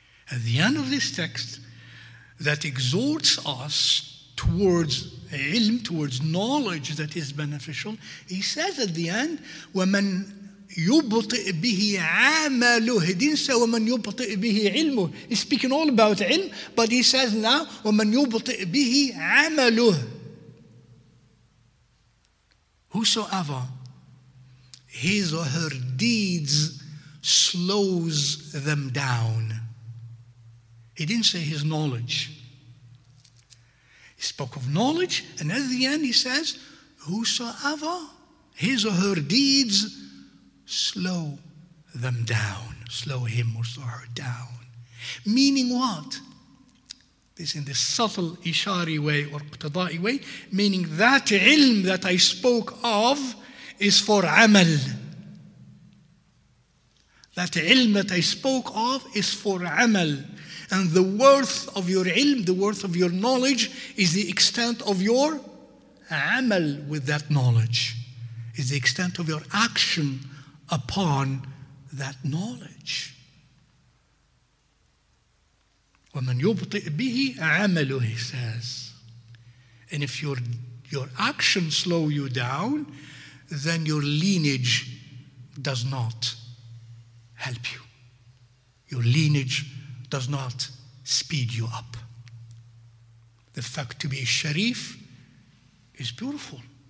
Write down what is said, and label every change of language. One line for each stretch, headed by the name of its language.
English: At the end of this text, that exhorts us towards ilm, towards knowledge that is beneficial, he says at the end,
Arabic: وَمَنْ يُبْطِئْ بِهِ عَامَلُهُ.
English: He didn't say
Arabic: وَمَنْ يُبْطِئْ بِهِ عِلْمُهُ.
English: He's speaking all about ilm, but he says now
Arabic: وَمَنْ يُبْطِئْ بِهِ عَامَلُهُ.
English: Whosoever his or her deeds slows them down. He didn't say his knowledge. He spoke of knowledge, and at the end he says, whosoever his or her deeds slow them down, slow him or slow her down. Meaning what? This in the subtle ishari way or qtada'i way, meaning that ilm that I spoke of is for amal. That ilm that I spoke of is for amal. And the worth of your ilm, the worth of your knowledge, is the extent of your amal with that knowledge, is the extent of your action upon that knowledge.
Arabic: وَمَنْ يُبْطِئْ بِهِ عَمَلُهُ,
English: he says. And if your actions slow you down, then your lineage does not help you. Your lineage does not speed you up. The fact to be a sharif is beautiful.